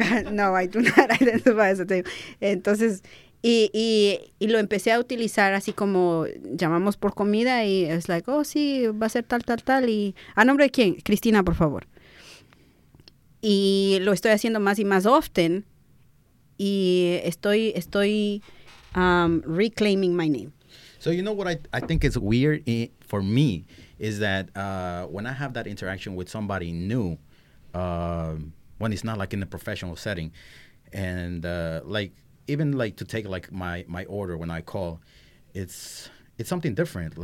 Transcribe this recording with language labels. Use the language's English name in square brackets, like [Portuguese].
[English] No, I do not identify as a table. [Spanish] Entonces y lo empecé a utilizar así como llamamos por comida y es like, "Oh, sí, va a ser tal y ¿a nombre de quién? Cristina, por favor." Y lo estoy haciendo más y más often y estoy [English] reclaiming my name. So you know what I think is weird for me is that when I have that interaction with somebody new, when it's not like in a professional setting, and like even like to take like my order when I call, it's something different.